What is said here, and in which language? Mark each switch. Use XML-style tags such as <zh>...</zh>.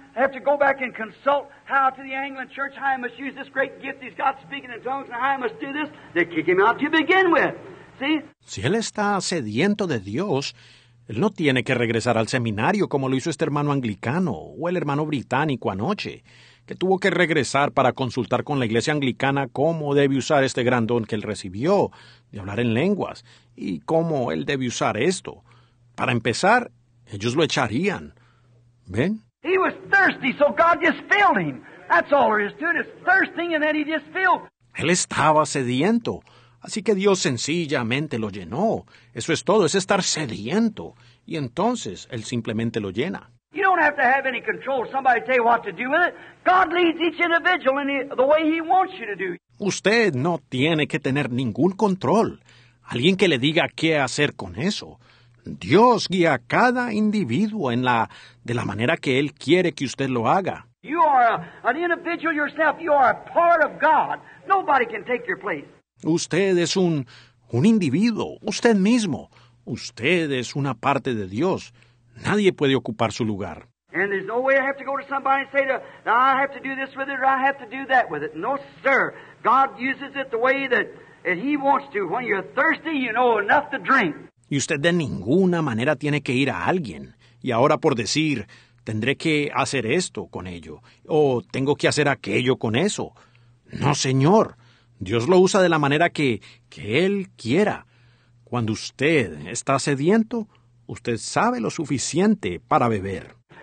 <en>I have to go back and consult how to the Anglican church, how I must use this great gift he's got speaking in tongues, and how I must do this. They kick him out to begin with.</en> <es>Si él está sediento de Dios, él no tiene que regresar al seminario como lo hizo este hermano anglicano o el hermano británico anoche, que tuvo que regresar para consultar con la iglesia anglicana cómo debe usar este gran don que él recibió de hablar en lenguas y cómo él debe usar esto. Para empezar, ellos lo echarían. ¿Ven?</es> <en>He was thirsty, so God just filled him. That's all there is to it. It's thirsting and then he just filled.</en> <es>Él estaba sediento. Así que Dios sencillamente lo llenó. Eso es todo, es estar sediento. Y entonces, Él simplemente lo llena.</es> <en>You don't have to have any control. Somebody tell you what to do with it. God leads each individual in the way He wants you to do.</en> <es>Usted no tiene que tener ningún control. Alguien que le diga qué hacer con eso. Dios guía a cada individuo en la, de la manera que Él quiere que usted lo haga.</es> <en>You are an individual yourself. You are a part of God. Nobody can take your place.</en> <es>Usted es un individuo, usted mismo. Usted es una parte de Dios. Nadie puede ocupar su lugar.</es> <en>And there's no way I have to go to somebody and say, now I have to do this with it, or I have to do that with it. No, sir. God uses it the way that He wants to. When you're thirsty, you know enough to drink.</en> <es>Y usted de ninguna manera tiene que ir a alguien. Y ahora por decir, tendré que hacer esto con ello, o tengo que hacer aquello con eso. No, señor. Dios lo usa de la manera que Él quiera. Cuando usted está sediento, usted sabe lo suficiente para beber.</es>